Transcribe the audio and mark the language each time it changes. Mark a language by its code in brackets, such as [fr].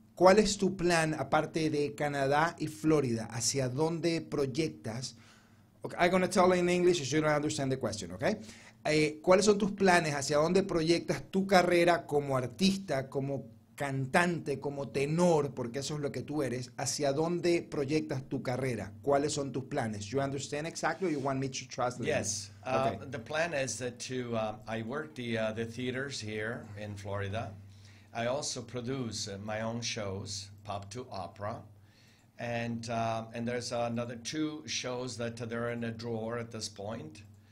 [es] ¿Cuál es tu plan aparte de Canadá y Florida? ¿Hacia dónde proyectas? [en] Okay, I'm going to tell in English if you don't understand the question, okay? [es] ¿Cuáles son tus planes? ¿Hacia dónde proyectas tu carrera como artista, como cantante, como tenor, porque eso es lo que tú eres? ¿Hacia dónde proyectas tu carrera? ¿Cuáles son tus planes? [en] You understand exactly, or you want me to translate? Yes. Okay. The plan is I work the theaters here in Florida. I also produce my own shows, pop to opera, And there's another two shows that they're in a drawer at this point.